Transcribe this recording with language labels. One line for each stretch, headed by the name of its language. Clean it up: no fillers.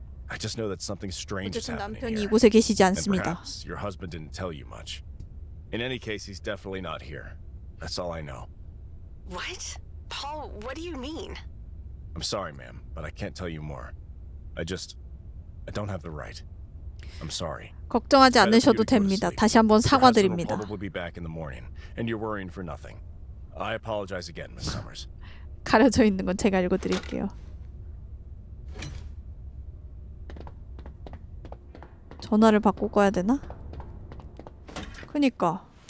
English: I just know that something strange is happening here. perhaps your husband didn't tell you much. In any case, he's definitely not here. That's all I know. What? Paul, what do you mean? I'm sorry, ma'am, but I can't tell you more. I don't have the right. I'm sorry.
Korean: 걱정하지 않으셔도 됩니다. 다시 한번 사과드립니다.
English: We'll be back in the morning, and you're worrying for nothing. I apologize again, Miss Summers.
Korean: 가려져 있는 건 제가 읽어드릴게요. 전화를 바꿔야 되나? 그니까.